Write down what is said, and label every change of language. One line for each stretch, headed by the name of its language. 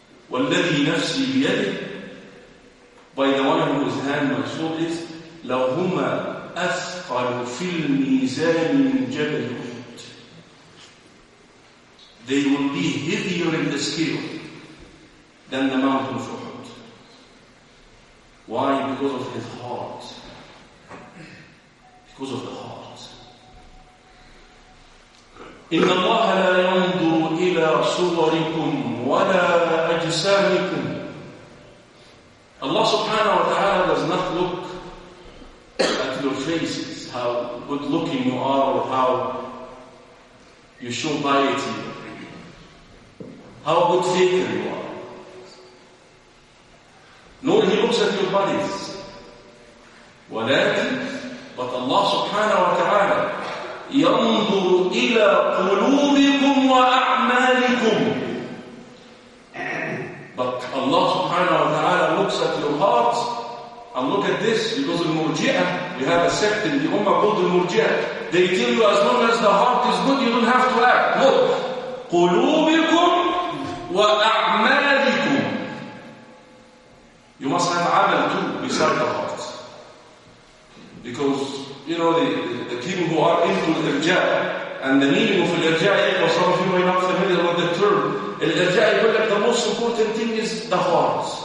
Arabic: والذي نفسي بيده,
English: by the one whose hand my soul is,
Arabic: لهما أثقل في الميزان من جبل أحد.
English: They will be heavier in the scale than the mountain of Uhud. Why? Because of his heart. Because of the heart.
Arabic: إن الله لا ينظر إلى صوركم ولا أجسامكم.
English: Allah subhanahu wa ta'ala does not look at your faces, how good looking you are, or how you show piety, how good faithful you are. Nor He looks at your bodies.
Arabic: ولكن,
English: but Allah subhanahu wa ta'ala
Arabic: ينظر إلى قلوبكم وأعمالكم.
English: Allah subhanahu wa ta'ala looks at your heart and look at this, because in Murji'ah, we have a sect in the Ummah called the Murji'ah. They tell you as long as the heart is good, you don't have to act. Look,
Arabic: قُلُوبِكُمْ وَأَعْمَالِكُمْ.
English: You must have amal too, beside the heart. Because, you know, the people who are into the irja', and the meaning of irja', or some of you may not familiar with the term, irja', the most important thing is the heart.